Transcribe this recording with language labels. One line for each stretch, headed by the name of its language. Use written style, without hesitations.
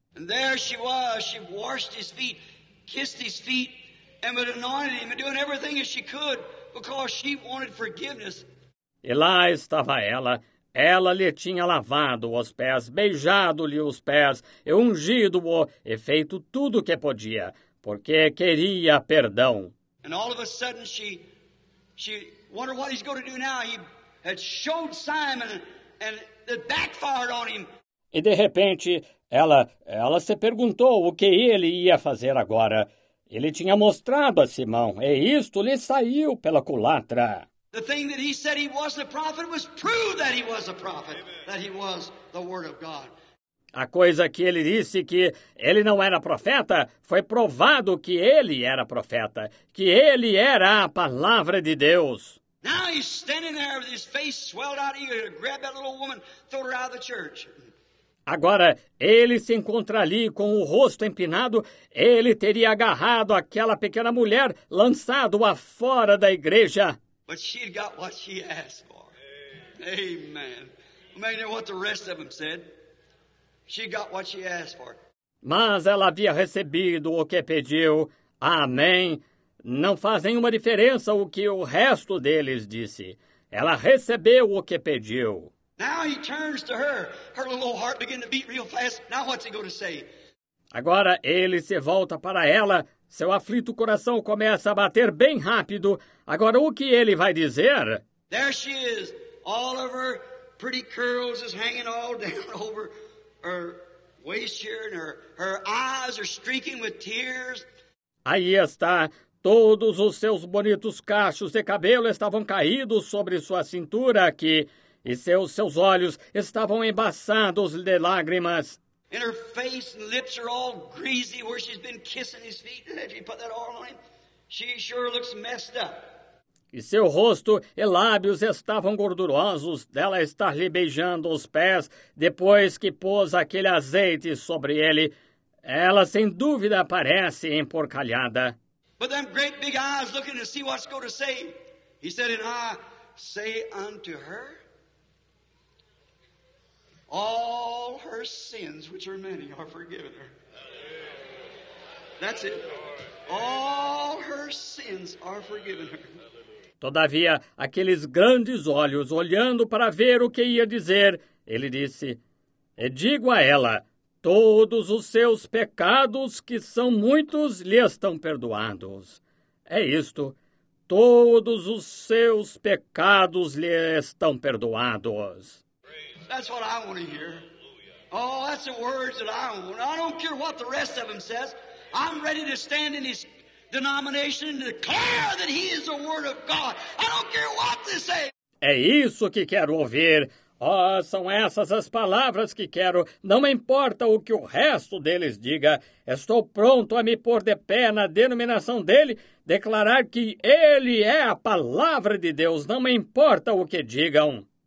English: And there she was. She washed his feet, kissed his feet, and would anoint him and doing everything as she could because she wanted forgiveness.
Portuguese: E lá estava ela. Ela lhe tinha lavado os pés, beijado-lhe os pés, e ungido-o e feito tudo o que podia, porque queria perdão.
English: And all of a sudden she wondered what he's going to do now. He had showed Simon and it backfired on him.
Portuguese: E de repente ela se perguntou o que ele ia fazer agora. Ele tinha mostrado a Simão, e isto lhe saiu pela culatra.
English: The thing that he said he wasn't a prophet was proved that he was a prophet, amen. That he was the word of God.
Portuguese: A coisa que ele disse que ele não era profeta foi provado que ele era profeta, que ele era a palavra de Deus.
English: Now he's standing there with his face swelled out, he grabbed that little woman, threw her out of the church.
Portuguese: Agora, ele se encontra ali com o rosto empinado, ele teria agarrado aquela pequena mulher, lançado-a fora da igreja.
English: But she got what she asked for. Amen. Imagine what the rest of them said. She got what she asked for.
Portuguese: Mas ela havia recebido o que pediu. Amém. Não faz nenhuma diferença o que o resto deles disse. Ela recebeu o que pediu.
English: Now he turns to her. Her little heart began to beat real fast. Now what's he going to say?
Portuguese: Agora ele se volta para ela. Seu aflito coração começa a bater bem rápido. Agora, o que ele vai dizer?
English: There she is. All of her pretty curls is hanging all down over her waist here, and her eyes are streaking with tears.
Portuguese: Aí está. Todos os seus bonitos cachos de cabelo estavam caídos sobre sua cintura aqui, e seus olhos estavam embaçados de lágrimas.
English: And her face and lips are all greasy where she's been kissing his feet. And after you put that oil on him, she sure looks messed up.
Portuguese: E seu rosto e lábios estavam gordurosos dela estar lhe beijando os pés depois que pôs aquele azeite sobre ele. Ela, sem dúvida, parece emporcalhada.
English: But them great big eyes looking to see what's going to say. He said, and I say unto her, all her sins, which are many, are forgiven her. That's it. All her sins are forgiven her.
Portuguese: Todavia, aqueles grandes olhos, olhando para ver o que ia dizer, ele disse, e digo a ela, todos os seus pecados, que são muitos, lhe estão perdoados. É isto, todos os seus pecados lhe estão perdoados.
English: That's what I want to hear. Oh, that's the words that I want. I don't care what the rest of them says. I'm ready to stand in his denomination and declare that he is the word of God. I don't care what they say.
Portuguese: É isso que quero ouvir. Oh, são essas as palavras que quero. Não importa o que o resto deles diga. Estou pronto a me pôr de pé na denominação dele, declarar que ele é a palavra de Deus. Não importa o que digam.